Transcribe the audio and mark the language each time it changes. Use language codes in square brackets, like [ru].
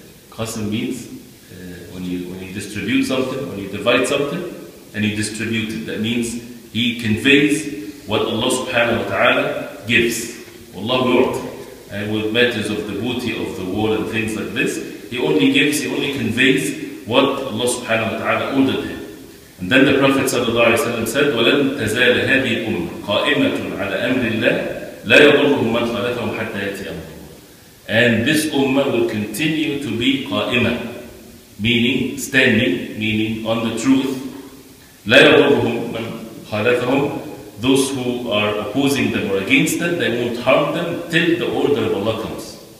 [en] قَاسِم means, when you distribute something, when you divide something, and you distribute it. That means he conveys what Allah subhanahu wa ta'ala gives. Allah Lord, and with matters of the booty of the war and things like this, he only conveys what Allah subhanahu wa ta'ala ordered him. And then the Prophet sallallahu alayhi wa sallam said, [ar] وَلَن تَزَالَ هَذِي أُمَّ قَائِمَةٌ عَلَىٰ أَمْرِ اللَّهِ لَا يَضُرُّهُمْ مَنْ خَلَفَهُمْ حَتَّى يَأْتِي أَمْرُ اللَّهِ. [en] And this ummah will continue to be qa'imah, meaning standing, meaning on the truth. [ar] لَا يَضُرُّهُمْ مَنْ خَلَفَهُمْ, [en] those who are opposing them or against them, they won't harm them till the order of Allah comes.